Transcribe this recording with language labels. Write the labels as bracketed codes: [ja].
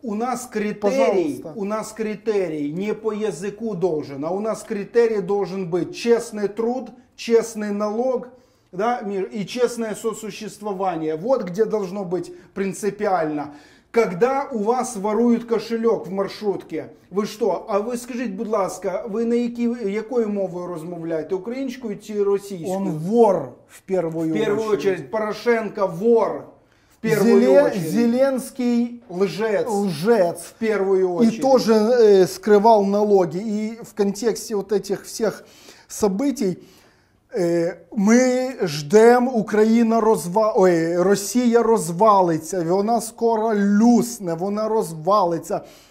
[ru] У нас критерий, не по языку должен, а у нас критерий должен быть честный труд, честный налог. Да, мир, и честное сосуществование. Вот где должно быть принципиально. Когда у вас воруют кошелек в маршрутке, вы что? А вы скажите, [uk] будь ласка, [ru] вы [uk] на якою мовою розмовляєте? Українською чи російською? [ru] Он вор в первую, очередь. Порошенко вор в первую очередь. Зеленский лжец. Лжец. В первую очередь. И тоже скрывал налоги. И в контексте вот этих всех событий, мы ждем, Украина Россия развалится, и она скоро люсне, она развалится.